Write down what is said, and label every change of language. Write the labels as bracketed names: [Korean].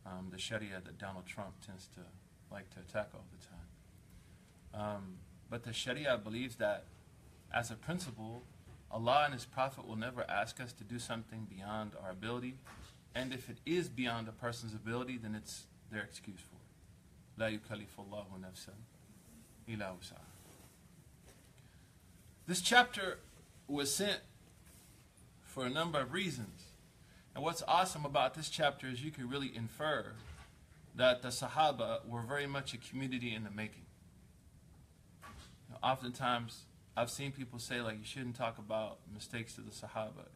[English] The Sharia that Donald Trump tends to like to attack all the time. But the Sharia believes that, as a principle, Allah and His Prophet will never ask us to do something beyond our ability. And if it is beyond a person's ability, then it's their excuse for it. [Arabic] لا يكلف الله نفسا إلا وسعها. [English] This chapter was sent for a number of reasons. And what's awesome about this chapter is you can really infer that the Sahaba were very much a community in the making. Now, oftentimes, I've seen people say, like, you shouldn't talk about mistakes of the Sahaba.